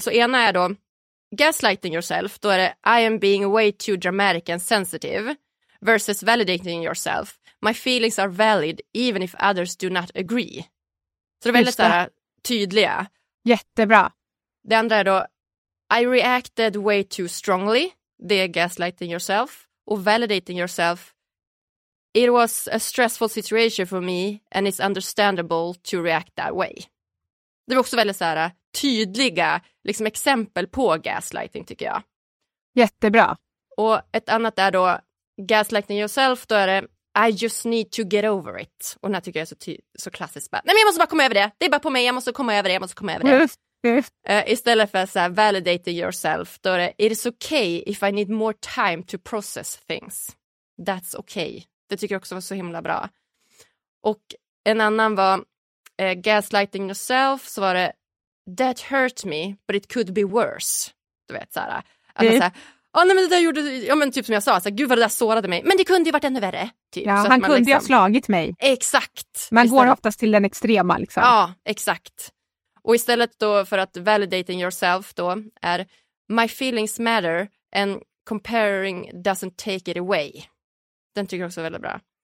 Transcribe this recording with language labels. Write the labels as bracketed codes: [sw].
[sv] Så ena är då [en] gaslighting yourself, [sv] då är det [en] I am being way too dramatic and sensitive versus validating yourself, my feelings are valid even if others do not agree. [sv] Så det är väldigt tydliga. Jättebra. Det andra är då, [en] I reacted way too strongly. [sv] Det är [en] gaslighting yourself. [sv] Och [en] validating yourself. It was a stressful situation for me and it's understandable to react that way. [sv] Det var också väldigt så här, tydliga liksom, exempel på gaslighting tycker jag. Jättebra. Och ett annat är då, [en] gaslighting yourself, [sv] då är det [en] I just need to get over it. [sv] Och när tycker jag är så klassiskt. Bara, nej men jag måste bara komma över det. Det är bara på mig, jag måste komma över det. Istället för så här, [en] validating yourself, [sv] då är det [en] it's okay if I need more time to process things. That's okay. [sv] Det tycker jag också var så himla bra. Och en annan var [en] gaslighting yourself, [sv] så var det [en] that hurt me, but it could be worse. [sv] Du vet, såhär. Ja, nej men det där gjorde, ja men typ som jag sa, såhär, gud vad det där sårade mig. Men det kunde ju varit ännu värre. Typ. Ja, så han att man kunde liksom ha slagit mig. Exakt. Man istället går oftast till den extrema liksom. Ja, exakt. Och istället då för att [en] validating yourself [sv] då är [en] my feelings matter and comparing doesn't take it away. [sv] Den tycker jag också är väldigt bra.